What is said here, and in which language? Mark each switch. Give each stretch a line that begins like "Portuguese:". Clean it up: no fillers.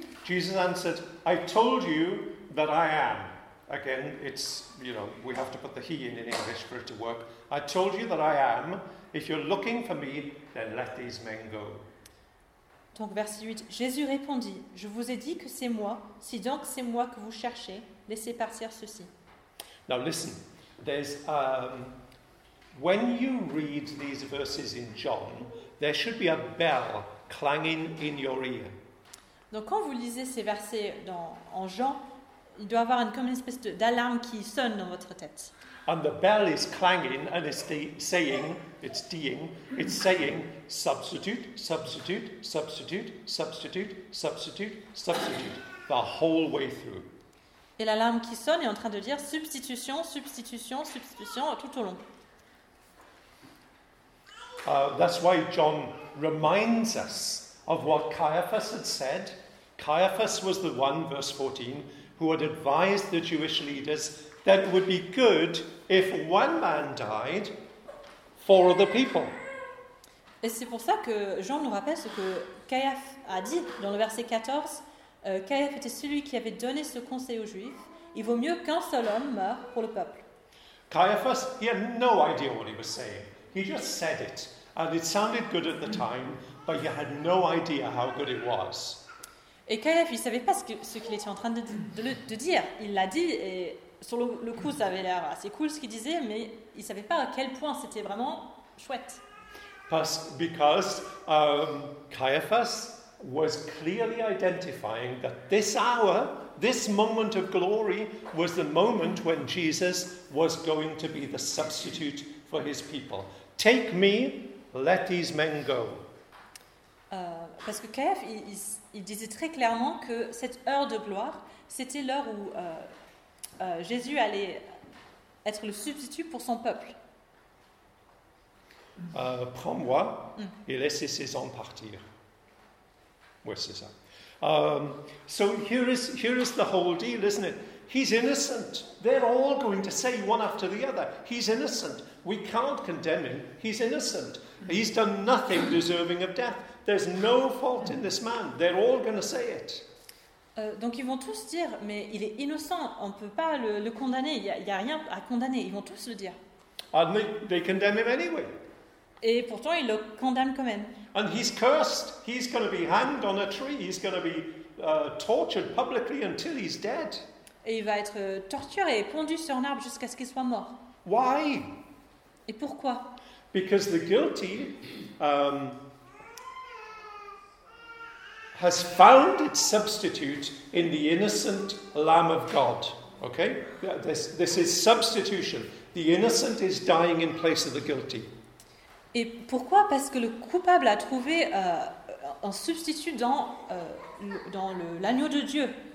English: Jesus answered, I told you that I am. Again, it's, you know, we have to put the he in English for it to work. I told you that I am. If you're looking for me, then let these men go.
French: Donc verset 8, Jésus répondit, je vous ai dit que c'est moi. Si donc c'est moi que vous cherchez, laissez partir ceci.
English: Now listen, there's, when you read these verses in John, there should be a bell clanging in your ear.
French: Donc quand vous lisez ces versets en Jean, il doit y avoir comme une espèce d'alarme qui sonne dans votre tête.
English: And the bell is clanging and it's saying, substitute, the whole way through.
French: Et l'alarme qui sonne est en train de dire substitution tout au long.
English: That's why John reminds us of what Caiaphas had said. Caiaphas was the one, verse 14, who had advised the Jewish leaders that it would be good if one man died for the people.
French: Et c'est pour ça que Jean nous rappelle ce que Caïphe a dit dans le verset 14. Caïphe était celui qui avait donné ce conseil aux Juifs. Il vaut mieux qu'un seul homme meure pour le peuple.
English: Caiaphas, he had no idea what he was saying. He just said it, and it sounded good at the time, but he had no idea how good it was.
French: Et Caïphe, il savait pas ce qu'il était en train de dire. Il l'a dit, et sur le coup, ça avait l'air assez cool ce qu'il disait, mais il savait pas à quel point c'était vraiment chouette.
English: Because Caiaphas was clearly identifying that this hour, this moment of glory, was the moment when Jesus was going to be the substitute for his people. Take me, let these men go.
French: Parce que Caïphe, il disait très clairement que cette heure de gloire, c'était l'heure où Jésus allait être le substitut pour son peuple. Prends-moi, et laissez ces hommes partir. Oui, c'est ça.
English: So here is the whole deal, isn't it? He's innocent. They're all going to say one after the other, he's innocent. We can't condemn him. He's innocent. He's done nothing deserving of death. There's no fault in this man. They're all going to say it.
French: Donc ils vont tous dire, mais il est innocent. On peut pas le condamner. Il y a rien à condamner. Ils vont tous le dire.
English: And they condemn him anyway.
French: Et pourtant ils le condamnent quand même.
English: And he's cursed. He's going to be hanged on a tree. He's going to be tortured publicly until he's dead.
French: Et il va être torturé et pendu sur un arbre jusqu'à ce qu'il soit mort.
English: Why?
French: Et pourquoi?
English: Because the guilty has found its substitute in the innocent Lamb of God. Okay? This is substitution. The innocent is dying in place of the guilty.
French: Et pourquoi? Parce que le coupable a trouvé un substitut dans l'agneau de Dieu.